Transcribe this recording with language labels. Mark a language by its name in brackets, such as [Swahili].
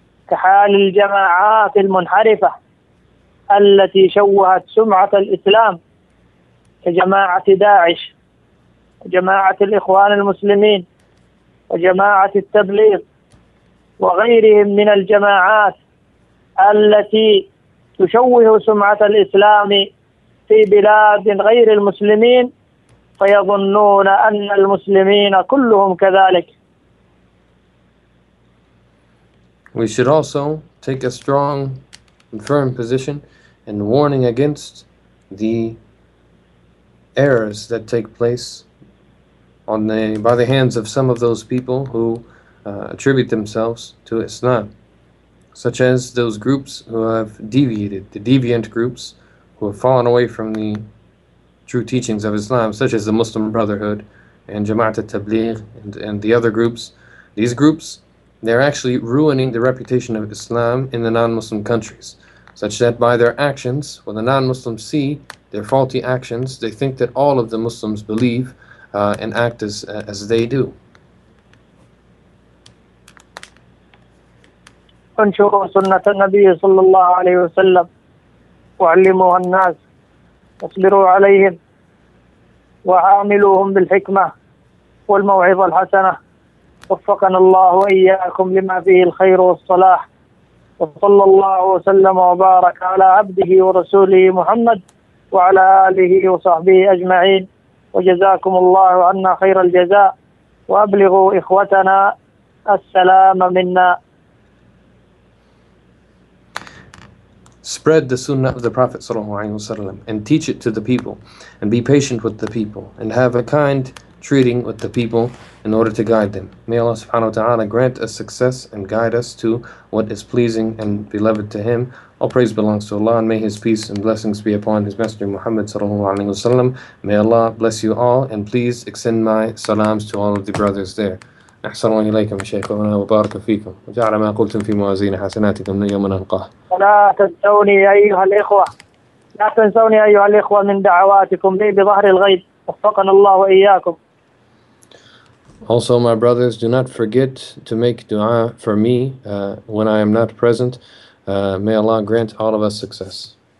[Arabic] كحال الجماعات المنحرفة التي شوهت سمعة الإسلام كجماعة داعش وجماعة الإخوان المسلمين وجماعة التبليغ وغيرهم من الجماعات التي تشوه سمعة الإسلام في بلاد غير المسلمين فيظنون أن المسلمين كلهم كذلك. [English] We should also take a strong and firm position in warning against the errors that take place by the hands of some of those people who attribute themselves to Islam, such as those groups who have deviated, the deviant groups who have fallen away from the true teachings of Islam, such as the Muslim Brotherhood and Jama'at al-Tabligh and the other groups. These groups, they're actually ruining the reputation of Islam in the non-Muslim countries, such that by their actions, when the non-Muslims see their faulty actions, they think that all of the Muslims believe and act as they do. [Arabic] انشروا سنة النبي صلى الله عليه وسلم وعلموها الناس واصبروا عليهم وعاملوهم بالحكمة والموعظة الحسنة. وفقنا الله وإياكم لما فيه الخير والصلاح، وصلى الله وسلم وبارك على عبده ورسوله محمد وعلى آله وصحبه أجمعين. وجزاكم الله عنا خير الجزاء، وأبلغوا إخوتنا السلام منا. [English] Spread the sunnah of the Prophet sallallahu alaihi wasallam and teach it to the people, and be patient with the people, and have a kind treating with the people in order to guide them. May Allah subhanahu wa ta'ala grant us success and guide us to what is pleasing and beloved to Him. All praise belongs to Allah, and may His peace and blessings be upon His Messenger Muhammad sallallahu alaihi wasallam. May Allah bless you all, and please extend my salams to all of the brothers there. [Arabic] أحسن الله إليكم شيخنا وبارك فيكم وجعل ما قلتم في موازين حسناتكم يوما أنقاه. لا تنسوني أيها الإخوة، لا تنسوني أيها الإخوة من دعواتكم لي بظهر الغيب، وفقنا الله وإياكم. [English] Also my brothers, do not forget to make dua for me when I am not present. May Allah grant all of us success.